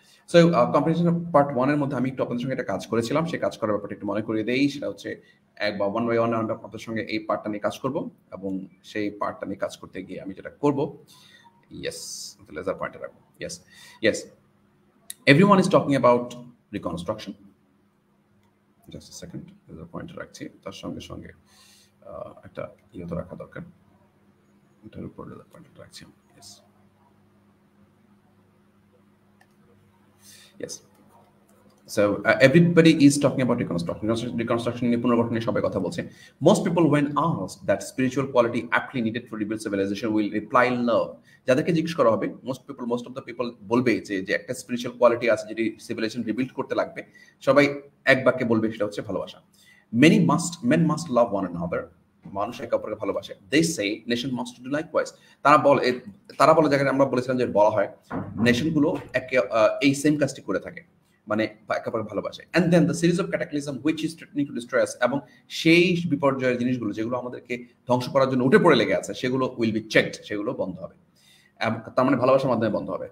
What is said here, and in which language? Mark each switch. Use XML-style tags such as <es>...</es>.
<bn>So competition part ওয়ানের মধ্যে আমি একটু আপনাদের সঙ্গে একটা কাজ করেছিলাম, সেই কাজ করার ব্যাপারটা একটু মনে করিয়ে দেই, সেটা হচ্ছে এক বা ওয়ান বাই ওয়ান আমরা আপনাদের সঙ্গে এই পার্টটা নিয়ে কাজ করবো এবং সেই পার্টটা নিয়ে কাজ করতে গিয়ে আমি যেটা করবো, ইয়েস লেজার পয়েন্টে রাখবো,</bn> <en>yes yes every one is talking about reconstruction,</en> <bn>just second laser পয়েন্টে রাখছি, তার সঙ্গে সঙ্গে একটা ইয়ে তো রাখা দরকার, এটার উপর লেজার পয়েন্টে রাখছি আমি, yes yes.</bn> <en>So everybody is talking about reconstruction.</en> <bn>Reconstruction নিয়ে পুনর্গঠন নিয়ে সবাই কথা বলছে।</bn> <en>Most people when asked that spiritual quality aptly needed for rebuild civilization will reply love.</en> <bn>যাদেরকে জিজ্ঞেস করা হবে,</bn> <en>most of the people</en> <bn>বলবে যে যে একটা spiritual quality আছে যেটি civilization rebuild করতে লাগবে, সবাই এক বাক্যে বলবে সেটা হচ্ছে ভালোবাসা।</bn> <en>Men must love one another.</en> <bn>মানুষ একে অপরকে ভালোবাসে।</bn> <en>They say nation must do likewise.</en> <bn>তারা বলে জায়গায় আমরা বলেছিলাম যে বলা হয় নেশনগুলো একে এই সেম কাজটি করে থাকে, মানে একে অপরকে ভালোবাসে।</bn> <en>and then the series of cataclysm which is threatening to destroy us,</en> <bn>এবং সেই বিপর্যয়ের জিনিসগুলো যেগুলো আমাদেরকে ধ্বংস করার জন্য উঠে পড়ে লেগে আছে সেগুলো</bn> <en>will be checked,</en> <bn>সেগুলো বন্ধ হবে, এবং তার মানে ভালোবাসার মাধ্যমে বন্ধ হবে।</bn>